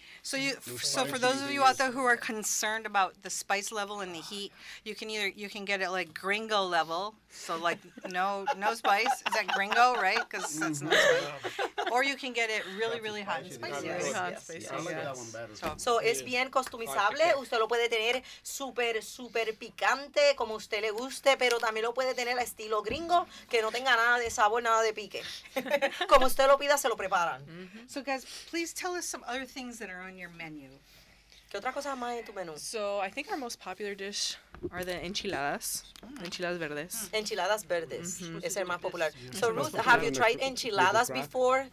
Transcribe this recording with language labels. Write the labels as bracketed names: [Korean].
[English] So for those of you out there who are concerned about the spice level and the heat, you can get it like gringo level, so like no spice. Is that gringo, right? Because that's not spicy. Or you can get it really, really hot and spicy. Really hot and spicy, I like that one better. [Spanish] So es bien customizable. Usted lo puede tener súper, súper picante, como usted le guste, pero también lo puede tener estilo gringo, que no tenga nada de sabor, nada de pique. Como usted lo pida, se lo preparan. Mm-hmm. [English] So guys, please tell us some other things that are on your menu. [Spanish] ¿Qué otra cosa más en tu menú? [English] So I think our most popular dish are the enchiladas, enchiladas verdes. Mm. [Spanish] Enchiladas verdes, es el más popular. [English] So Ruth, have you tried enchiladas before?